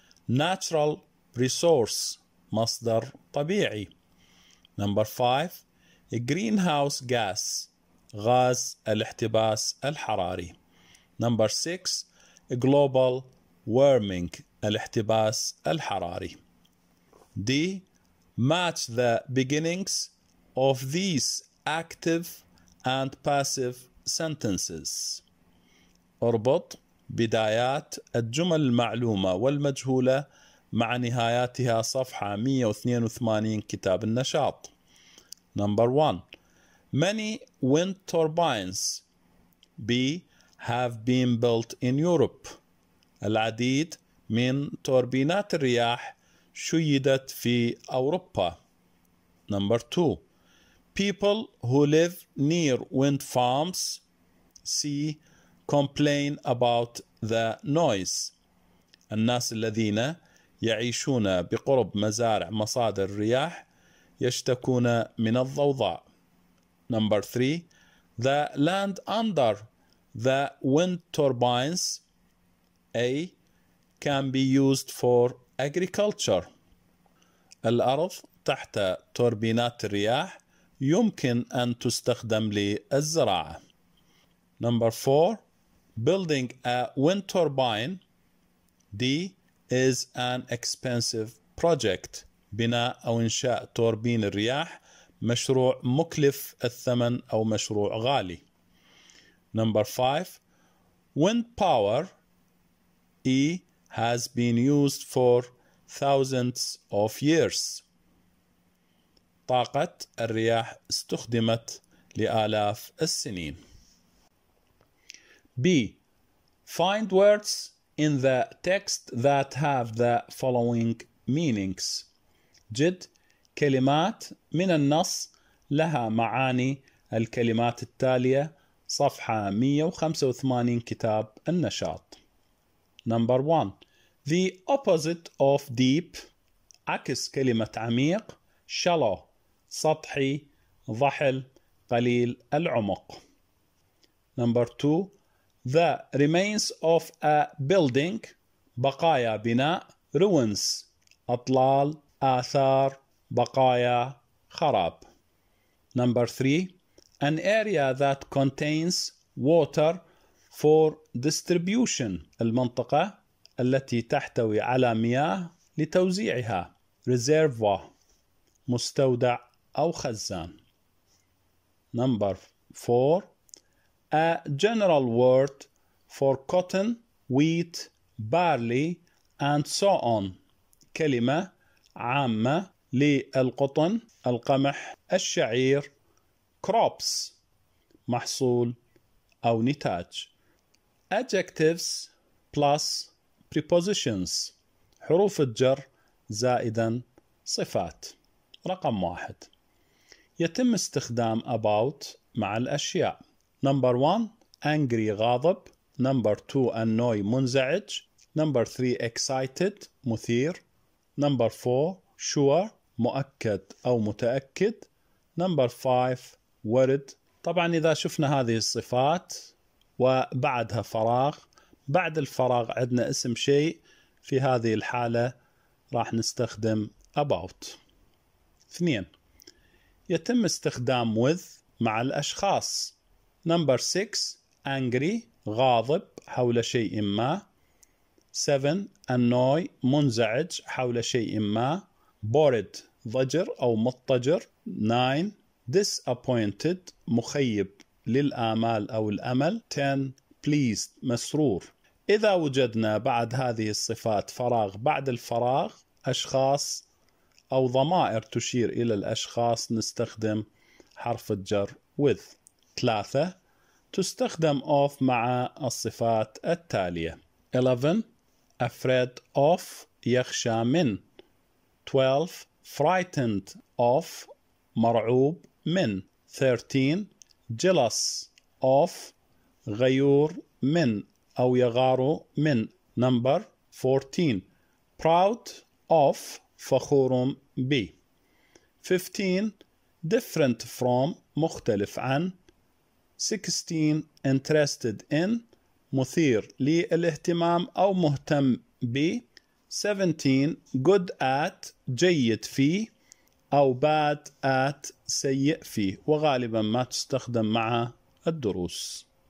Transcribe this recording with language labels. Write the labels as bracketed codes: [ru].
[en] Natural Resource [ar] مصدر طبيعي. [en] Number 5. Greenhouse Gas [ar] غاز الاحتباس الحراري. [en] Number 6. Global Warming [ar] الاحتباس الحراري. [en] D. Match the beginnings of these active and passive sentences. [ar] اربط بدايات الجمل المعلومة والمجهولة مع نهاياتها صفحة 182 كتاب النشاط. [en] Number 1. Many wind turbines B have been built in Europe. [ar] العديد من توربينات الرياح شيدت في أوروبا. [en] Number 2. People who live near wind farms C complain about the noise. [ar] الناس الذين يعيشون بقرب مزارع مصادر الرياح يشتكون من الضوضاء. [en] Number 3. The land under the wind turbines A can be used for agriculture. [ar] الأرض تحت توربينات الرياح يمكن أن تستخدم للزراعة. [en] Number 4. Building a wind turbine D is an expensive project. [ar] بناء أو إنشاء توربين الرياح مشروع مكلف الثمن أو مشروع غالي. [en] Number 5. Wind power E has been used for thousands of years. [ar] طاقة الرياح استخدمت لآلاف السنين. [en] B. Find words in the text that have the following meanings. [ar] جد كلمات من النص لها معاني الكلمات التالية صفحة 185 كتاب النشاط. [en] Number 1. The opposite of deep [ar] عكس كلمة عميق [en] shallow [ar] سطحي ضحل قليل العمق. [en] Number 2. The remains of a building [ar] بقايا بناء [en] ruins [ar] أطلال آثار بقايا خراب. [en] Number 3. An area that contains water for distribution [ar] المنطقة التي تحتوي على مياه لتوزيعها [en] reservoir [ar] مستودع أو خزان. [en] Number 4. A general word for cotton, wheat, barley and so on [ar] كلمة عامة للقطن القمح الشعير [en] crops [ar] محصول أو نتاج. [en] Adjectives plus prepositions [ar] حروف الجر زائدا صفات. رقم واحد، يتم استخدام about مع الأشياء. [en] Number one, angry [ar] غاضب. [en] Number two, annoy [ar] منزعج. [en] Number three, excited [ar] مثير. [en] Number four, sure [ar] مؤكد أو متأكد. [en] Number five, worried. [ar] طبعا إذا شفنا هذه الصفات وبعدها فراغ، بعد الفراغ عندنا اسم شيء، في هذه الحالة راح نستخدم about. اثنين، يتم استخدام with مع الأشخاص. [en] Number six, angry [ar] غاضب حول شيء ما. [en] Seven, annoy [ar] منزعج حول شيء ما. [en] Bored [ar] ضجر أو مضطجر. [en] Nine, disappointed [ar] مخيب للآمال أو الأمل. [en] Ten, pleased [ar] مسرور. إذا وجدنا بعد هذه الصفات فراغ بعد الفراغ أشخاص أو ضمائر تشير إلى الأشخاص نستخدم حرف الجر with. ثلاثة، تستخدم of مع الصفات التالية. [en] 11 afraid of [ar] يخشى من. [en] 12 frightened of [ar] مرعوب من. 13 [en] jealous of [ar] غيور من أو يغار من. [en] Number 14 proud of [ar] فخور ب. [en] 15 different from [ar] مختلف عن. 16 [en] interested in [ar] مثير للاهتمام أو مهتم ب. 17 [en] good at [ar] جيد في أو [en] bad at [ar] سيء في، وغالبا ما تستخدم مع الدروس.